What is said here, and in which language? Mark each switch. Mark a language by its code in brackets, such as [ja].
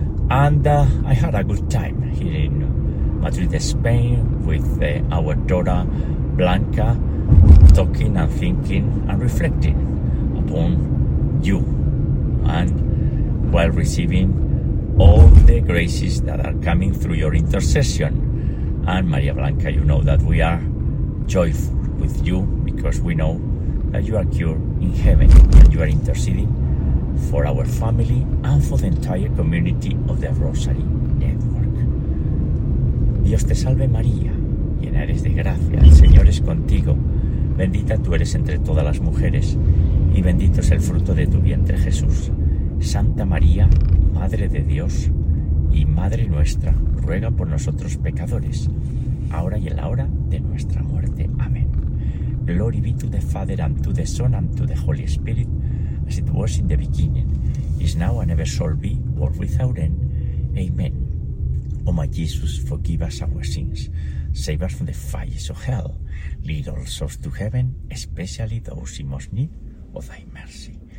[en] And I had a good time here in Madrid, Spain, with our daughter Blanca, talking and thinking and reflecting upon you, and while receiving all the graces that are coming through your intercession. And Maria Blanca, you know that we are joyful with you, because we know that you are cured in heaven, and you are interceding for our family and for the entire community of the Rosary Network. [es] Dios te salve María, llena eres de gracia, el Señor es contigo. Bendita tú eres entre todas las mujeres, y bendito es el fruto de tu vientre, Jesús. Santa María, Madre de Dios y Madre nuestra, ruega por nosotros pecadores, ahora y en la hora de nuestra muerte. Amén. [en] Glory be to the Father, and to the Son, and to the Holy Spirit, as it was in the beginning, is now, and ever shall be, world without end. Amen. Oh my Jesus, forgive us our sins. Save us from the fires of hell. Lead all souls to heaven, especially those in most need of thy mercy.